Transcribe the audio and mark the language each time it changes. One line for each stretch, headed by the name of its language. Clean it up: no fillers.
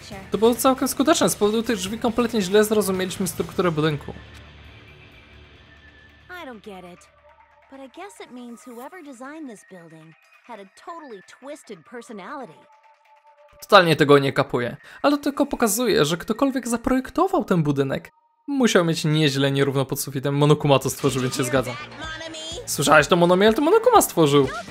Polish: To było całkiem skuteczne, z powodu tych drzwi kompletnie źle zrozumieliśmy strukturę budynku.
English: I don't get it. But I guess it means whoever designed this building had a totally twisted personality.
Polish: Totalnie tego nie kapuję, ale to tylko pokazuje, że ktokolwiek zaprojektował ten budynek, musiał mieć nieźle nierówno pod sufitem. Monokuma to stworzył, więc się zgadzam. Słyszałeś to, Monomi? Ale to Monokuma stworzył.